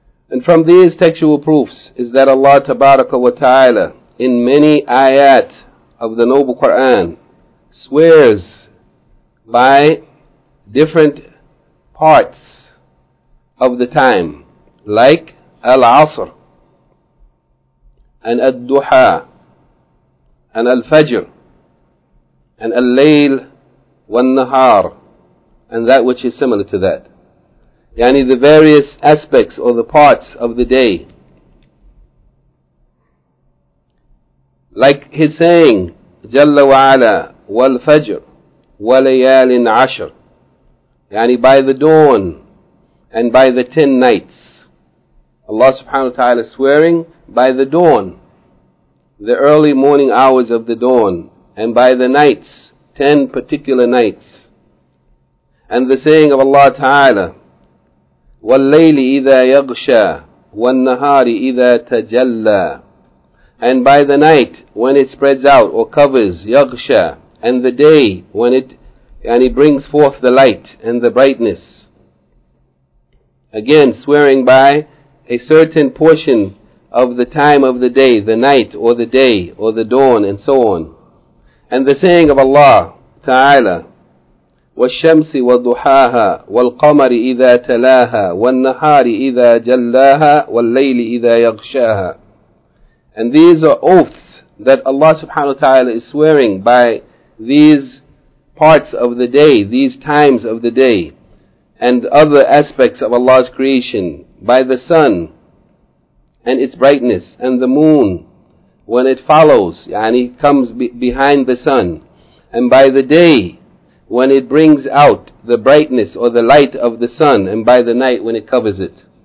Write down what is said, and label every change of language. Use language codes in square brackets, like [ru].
[en] And from these textual proofs is that Allah Tabaraka wa Ta'ala, in many ayat of the Noble Quran, swears by different parts of the time, like Al-Asr, and Al-Duha, and Al-Fajr, and Al-Layl, والنهار, and that which is similar to that. Yani the various aspects or the parts of the day. Like his saying, [ar] جَلَّ وَعَلَى وَالْفَجْرِ وَلَيَالٍ عَشْرٍ. [en] Yani by the dawn and by the 10 nights. Allah subhanahu wa ta'ala swearing by the dawn, the early morning hours of the dawn, and by the nights, 10 particular nights. And the saying of Allah Ta'ala, [ar] وَاللَّيْلِ إِذَا يَغْشَى وَالنَّهَارِ إِذَا تَجَلَّى. [en] And by the night, when it spreads out or covers, يَغْشَى, and the day when it, and it brings forth the light and the brightness. Again, swearing by a certain portion of the time of the day, the night or the day or the dawn and so on. And the saying of Allah Ta'ala, [ar] وَالشَّمْسِ وَضُحَاهَا وَالْقَمَرِ إِذَا تَلَاهَا وَالنَّهَارِ إِذَا جَلَّاهَا وَاللَّيْلِ إِذَا يَغْشَاهَا. [en] And these are oaths that Allah subhanahu wa ta'ala is swearing by these parts of the day, these times of the day, and other aspects of Allah's creation, by the sun and its brightness, and the moon when it follows, yani comes behind the sun, and by the day when it brings out the brightness or the light of the sun, and by the night when it covers it.